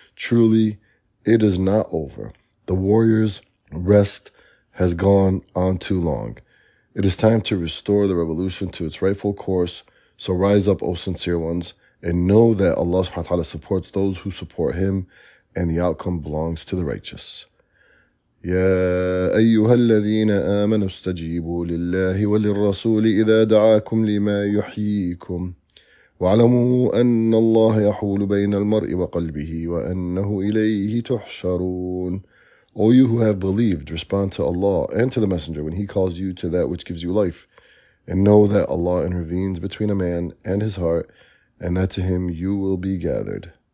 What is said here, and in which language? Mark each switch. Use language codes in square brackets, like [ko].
[en] Truly, it is not over. The warriors' rest has gone on too long. It is time to restore the revolution to its rightful course. So rise up, O sincere ones, and know that Allah subhanahu wa ta'ala supports those who support Him, and the outcome belongs to the righteous. [ar] يا أيها الذين آمنوا استجيبوا لله وللرسول إذا دعاكم لما يحييكم واعلموا أن الله يحول بين المرء وقلبه وأنه إليه تحشرون. [en] O you who have believed, respond to Allah and to the Messenger when He calls you to that which gives you life, and know that Allah intervenes between a man and his heart, and that to Him you will be gathered.